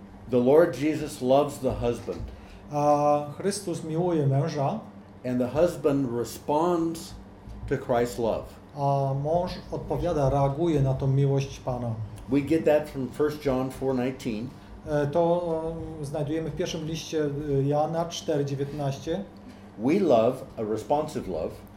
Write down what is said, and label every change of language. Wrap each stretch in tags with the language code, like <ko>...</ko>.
<en>The Lord Jesus loves the husband.</en> <pl>A Chrystus miłuje męża.</pl> <en>And the husband responds to Christ's love.</en> <pl>A mąż odpowiada, reaguje na tą miłość Pana.</pl> <en>We get that from 1 John 4:19.</en> <pl>To znajdujemy w pierwszym liście Jana 4:19.</pl> <en>We love a responsive love.</en>